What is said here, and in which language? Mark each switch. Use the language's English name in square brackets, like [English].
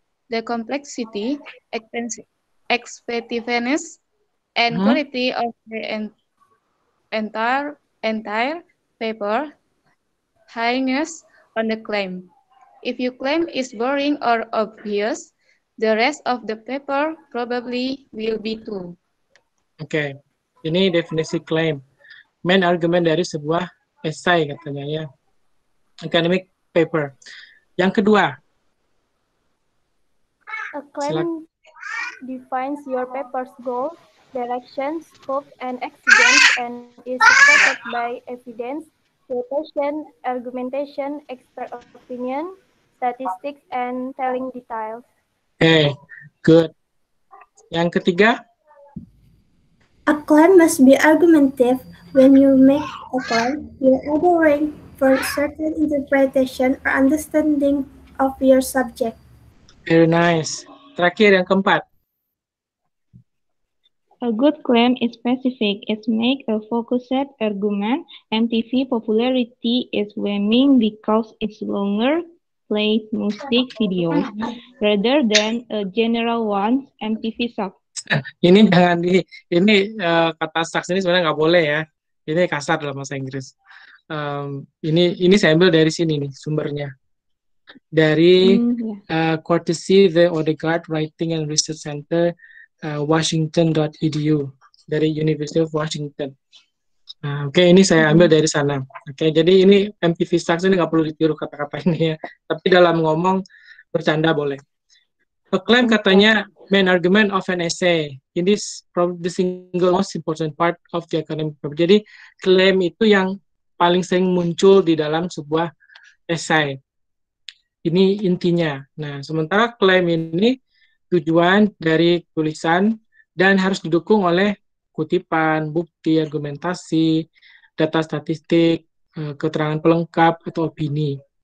[English] The complexity, expansiveness, and quality of the entire paper hinges on the claim. If your claim is boring or obvious, the rest of the paper probably will be too. [Indonesian] Okay, ini definisi claim. [English] Main argument [Indonesian] dari sebuah esai katanya ya. Academic paper. Yang kedua. [English] A claim defines your paper's goal, direction, scope, and exigence, and is supported by evidence, citation, argumentation, expert opinion, statistics, and telling details. Okay, good. [Indonesian] Yang ketiga. [English] A claim must be argumentative. When you make a claim, you're arguing for certain interpretation or understanding of your subject. Very nice. [Indonesian] Terakhir, yang keempat. [English] A good claim is specific. It makes a focused argument, and TV popularity is waning because it's longer play music video rather than a general one MTV song. [Indonesian] Ini jangan di, ini kata saks ini sebenarnya nggak boleh ya. Ini kasar dalam bahasa Inggris. Ini saya ambil dari sini nih sumbernya. Dari courtesy the Odegaard Writing and Research Center Washington.edu dari University of Washington. Oke, ini saya ambil dari sana. Oke, jadi ini MTV Stars ini nggak perlu ditiru kata-kata ini ya. Tapi dalam ngomong bercanda boleh. [English] A claim [Indonesian] katanya [English] main argument of an essay. Ini probably the single most important part of the academic paper. [Indonesian] Jadi claim itu yang paling sering muncul di dalam sebuah esai. Ini intinya. Nah, sementara claim ini tujuan dari tulisan dan harus didukung oleh kutipan, bukti, argumentasi, data statistik, keterangan pelengkap, atau opini.